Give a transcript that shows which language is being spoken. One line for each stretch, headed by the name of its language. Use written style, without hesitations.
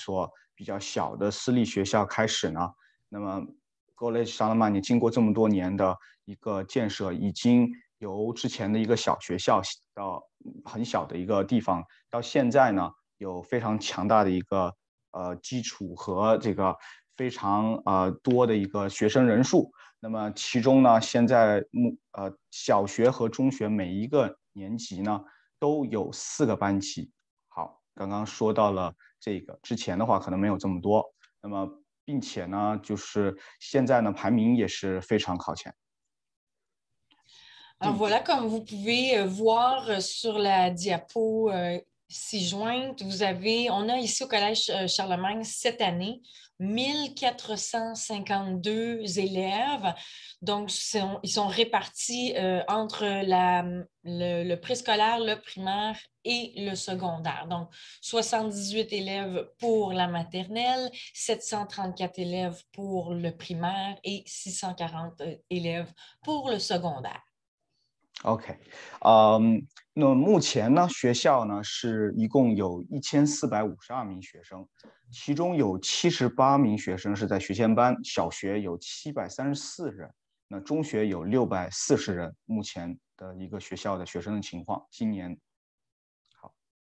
Chinese: 那么从之前的在PFON的一所比较小的私立学校开始呢, 那么 College Charlemagne 经过这么多年的一个建设, 已经由之前的一个小学校到很小的一个地方, 到现在呢, 有非常强大的一个基础和这个非常多的一个学生人数。那么其中呢，现在小学和中学每一个年级呢都有4个班级。好，刚刚说到了这个，之前的话可能没有这么多。那么并且呢，就是现在呢排名也是非常靠前。
French: Alors voilà, comme vous pouvez voir sur la diapo ci-jointe, on a ici au Collège Charlemagne cette année 1452 élèves. Donc, ils sont répartis entre le préscolaire, le primaire et le secondaire. Donc, 78 élèves pour la maternelle, 734 élèves pour le primaire et 640 élèves pour le secondaire.
Chinese: OK， 那目前呢，学校呢是一共有1452名学生，其中有78名学生是在学前班，小学有734人，那中学有640人。目前的一个学校的学生的情况，今年好。